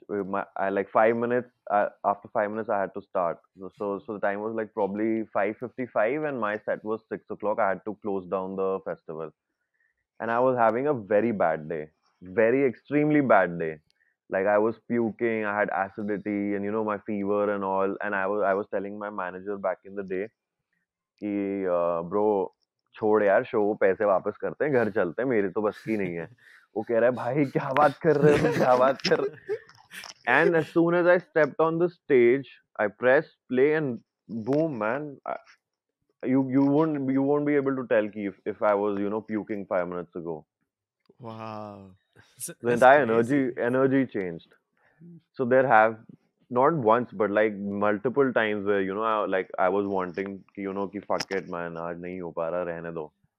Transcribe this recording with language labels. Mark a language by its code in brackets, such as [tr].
[en] After 5 minutes, I had to start. So the time was like probably 5:55 and my set was 6 o'clock. I had to close down the festival. And I was having a very bad day. Very extremely bad day. Like I was puking, I had acidity and, you know, my fever and all. And I was telling my manager back in the day, [hi] कि bro छोड़ यार show, पैसे वापस करते हैं, घर चलते हैं, मेरे तो बस की नहीं है. वो कह रहा है भाई क्या बात कर रहे हो, क्या बात कर. [en] And as soon as I stepped on the stage, I pressed play and boom, man, you won't be able to tell कि if I was, you know, puking 5 minutes ago. Wow. The entire energy changed. So there have not once, but like multiple times where, you know, I was wanting, you know, ki fuck it, man, [hi] aaj nahi ho pa raha, rehne do.